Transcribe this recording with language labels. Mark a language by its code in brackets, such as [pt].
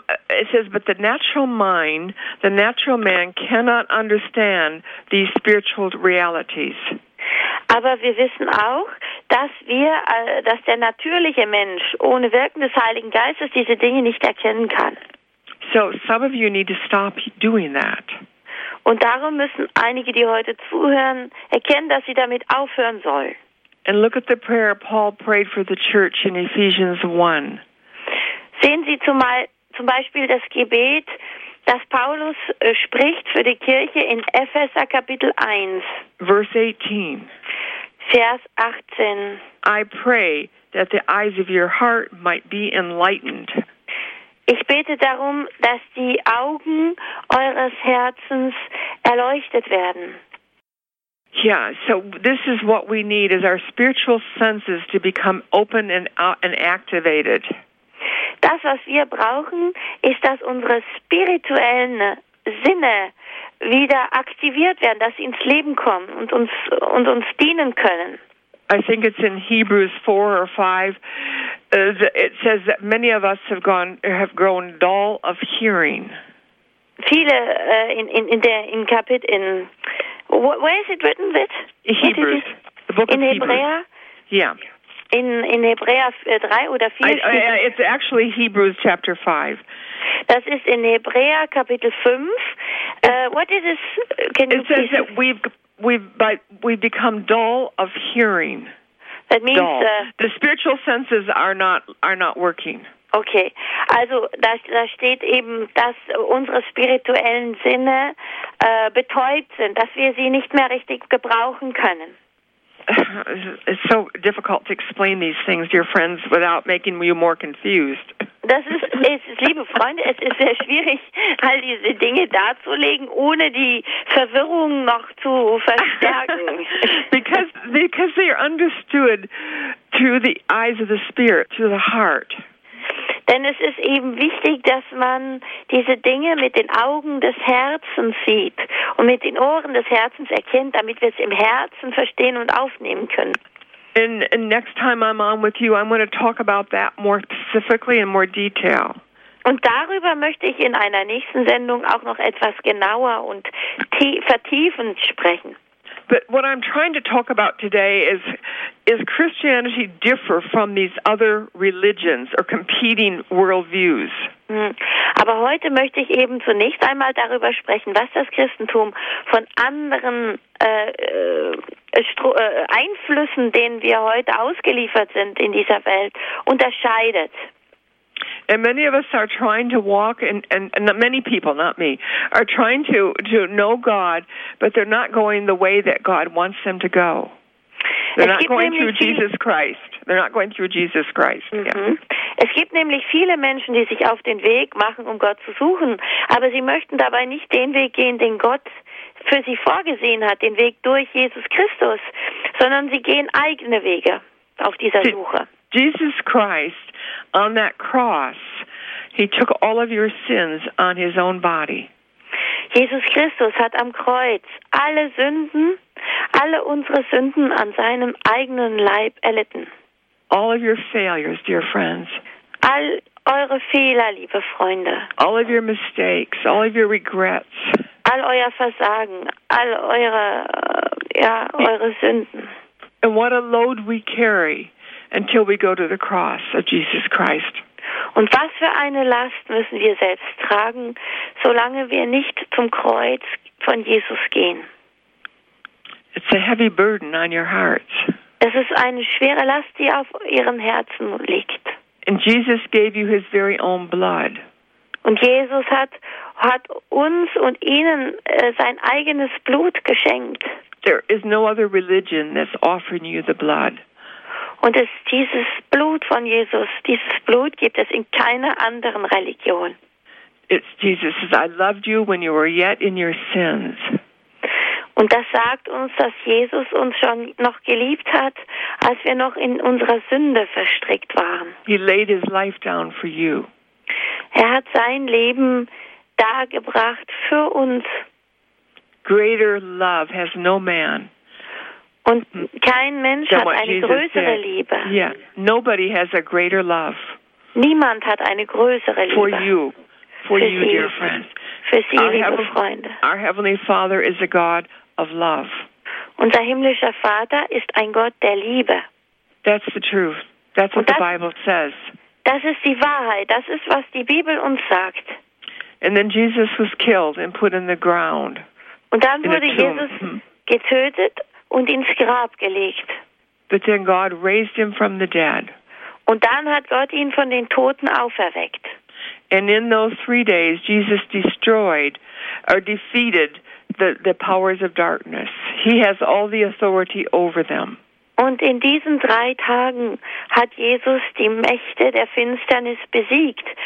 [en] It says, but the natural mind, the natural man cannot understand these spiritual realities. [de] Aber wir wissen auch, dass der natürliche Mensch ohne Wirken des Heiligen Geistes diese Dinge nicht erkennen kann. [en] So some of you need to stop doing that. [de] Und darum müssen einige, die heute zuhören, erkennen, dass sie damit aufhören sollen. [en] And look at the prayer Paul prayed for the church in Ephesians 1. [de] Sehen Sie zum Beispiel das Gebet, das Paulus spricht für die Kirche in Epheser Kapitel 1. [en] Verse 18. [de] Vers 18. [en] I pray that the eyes of your heart might be enlightened. [de] Ich bete darum, dass die Augen eures Herzens erleuchtet werden. [en] Yeah, so this is what we need, is our spiritual senses to become open and activated. [de] Das, was wir brauchen, ist, dass unsere spirituellen Sinne wieder aktiviert werden, dass sie ins Leben kommen und uns dienen können. [en] I think it's in Hebrews 4 or 5. It says that many of us have grown dull of hearing. [de] Viele in Kapitel in [en] where is it written that? Hebrews. The book in of [de] Hebräer? [en] Hebrews. Yeah. [de] In Hebräer 3 oder 4. [en] It's actually Hebrews chapter 5. [de] Das ist in Hebräer Kapitel 5. [en] What is this? Can it you says that we've become dull of hearing. That means dull. The spiritual senses are not working. [de] Okay, also da steht eben, dass unsere spirituellen Sinne betäubt sind, dass wir sie nicht mehr richtig gebrauchen können. [en] It's so difficult to explain these things, dear friends, without making you more confused. [de] Das ist, liebe Freunde, es ist sehr schwierig, all diese Dinge darzulegen, ohne die Verwirrung noch zu verstärken. [en] because they are understood through the eyes of the spirit, through the heart. [de] Denn es ist eben wichtig, dass man diese Dinge mit den Augen des Herzens sieht und mit den Ohren des Herzens erkennt, damit wir es im Herzen verstehen und aufnehmen können. [en] And next time I'm on with you, I'm going to talk about that more specifically in more detail. [de] Und darüber möchte ich in einer nächsten Sendung auch noch etwas genauer und vertiefend sprechen. [en] But what I'm trying to talk about today is Christianity differ from these other religions or competing worldviews? [de] Aber heute möchte ich eben zunächst einmal darüber sprechen, was das Christentum von anderen Einflüssen, denen wir heute ausgeliefert sind in dieser Welt, unterscheidet. [en] And many of us are trying to walk, and many people, not me, are trying to know God, but they're not going the way that God wants them to go. They're not going through Jesus Christ. They're not going through Jesus Christ. Yeah. [de] Es gibt nämlich viele Menschen, die sich auf den Weg machen, Gott zu suchen, aber sie möchten dabei nicht den Weg gehen, den Gott für sie vorgesehen hat, den Weg durch Jesus Christus, sondern sie gehen eigene Wege auf dieser Suche. [en] Jesus Christ on that cross, he took all of your sins on his own body. [de] Jesus Christus hat am Kreuz alle Sünden, alle unsere Sünden an seinem eigenen Leib erlitten. [en] All of your failures, dear friends. [de] All eure Fehler, liebe Freunde. [en] All of your mistakes, all of your regrets. [de] All euer Versagen, all eure, eure Sünden. [en] And what a load we carry until we go to the cross of Jesus Christ. [de] Und was für eine Last müssen wir selbst tragen, solange wir nicht zum Kreuz von Jesus gehen. [en] It's a heavy burden on your heart. [de] Es ist eine schwere Last, die auf ihrem Herzen liegt. [en] And Jesus gave you his very own blood. [de] Und Jesus hat uns und ihnen sein eigenes Blut geschenkt. [en] There is no other religion that's offering you the blood. [de] Und es, dieses Blut von Jesus, dieses Blut gibt es in keiner anderen Religion. [en] It's Jesus says, I loved you when you were yet in your sins. [de] Und das sagt uns, dass Jesus uns schon noch geliebt hat, als wir noch in unserer Sünde verstrickt waren. [en] He laid his life down for you. [de] Er hat sein Leben dargebracht für uns. [en] Greater love has no man. [de] Und kein Mensch hat eine größere Liebe. [en] Yeah. Nobody has a greater love. [de] Niemand hat eine größere Liebe. [en] For you. For you, [de] Sie. [en] Dear friends. [de] Für Sie, liebe Freunde. [en] Our Heavenly Father is a God of love. [de] Unser himmlischer Vater ist ein Gott der Liebe. [en] That's the truth. That's what the Bible says. [de] Das ist die Wahrheit. Das ist, was die Bibel uns sagt. [en] And then Jesus was killed and put in the ground. [de] Und dann wurde Jesus getötet und ins Grab gelegt. [en] But then God raised him from the dead. [de] Und dann hat Gott ihn von den Toten auferweckt. [en] And in those 3 days, Jesus destroyed or defeated the powers of darkness. He has all the authority over them. [de] Und in diesen 3 Tagen hat Jesus die Mächte der Finsternis besiegt.